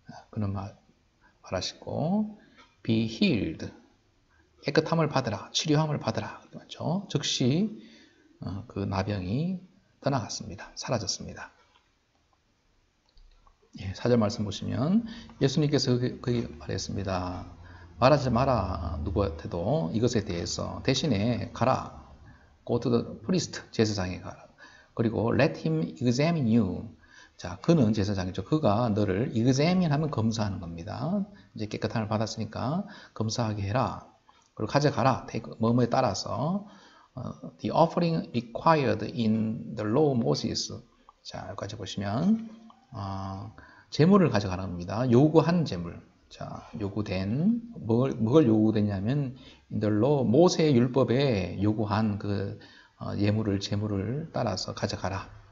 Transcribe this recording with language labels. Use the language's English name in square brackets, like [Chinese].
[Korean] 그는 말하시고 [English] be healed. [Korean] 깨끗함을 받으라. 치료함을 받으라. 맞죠? 즉시 그 나병이 떠나갔습니다. 사라졌습니다. 예, 4절 말씀 보시면 예수님께서 그 말했습니다. 말하지 마라 누구한테도 이것에 대해서. 대신에 가라. [English] Go to the priest, [Korean] 제사장에 가라. 그리고 [English] let him examine you. [Korean] 자, 그는 제사장이죠. 그가 너를 examine 하면 검사하는 겁니다. 이제 깨끗함을 받았으니까 검사하게 해라. 그리고 가져가라. 뭐뭐에 따라서 [English] the offering required in the law Moses. [Korean] 자, 여기까지 보시면 재물을 가져가라 합니다. 요구한 재물. 자, 요구된 뭘 요구됐냐면 이들로 모세 율법에 요구한 그 예물을 재물을 따라서 가져가라.